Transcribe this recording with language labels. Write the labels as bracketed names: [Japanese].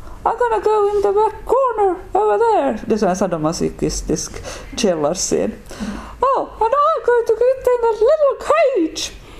[English] I'm gonna go in the back corner over there. [Swedish] Det är så en sadomasochistisk källarscen. [English] Oh, and I'm going to get in a little cage.